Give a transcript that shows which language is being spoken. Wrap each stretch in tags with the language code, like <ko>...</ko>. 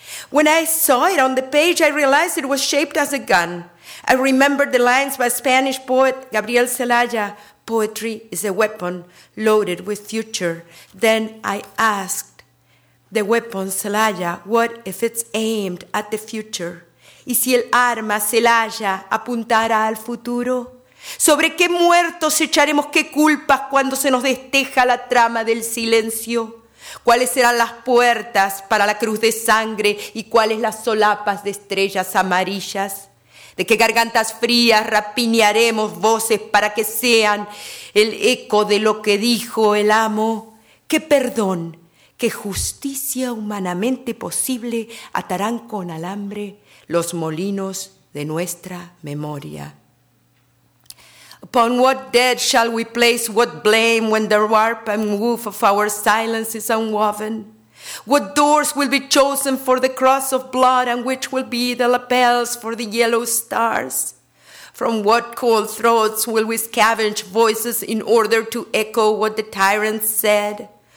<en>When I saw it on the page, I realized it was shaped as a gun. I remembered the lines by Spanish poet Gabriel Celaya, "Poetry is a weapon loaded with future." Then I asked the weapon, Celaya, what if it's aimed at the future?</en> <es>¿Y si el arma, Celaya, apuntara al futuro? ¿Sobre qué muertos echaremos qué culpas cuando se nos desteja la trama del silencio? ¿Cuáles serán las puertas para la cruz de sangre y cuáles las solapas de estrellas amarillas? ¿De qué gargantas frías rapiñaremos voces para que sean el eco de lo que dijo el amo? ¿Qué perdón, qué justicia humanamente posible atarán con alambre los molinos de nuestra memoria?</es> <en>Upon what dead shall we place what blame when the warp and woof of our silence is unwoven? What doors will be chosen for the cross of blood and which will be the lapels for the yellow stars? From what cold throats will we scavenge voices in order to echo what the tyrant said?</en>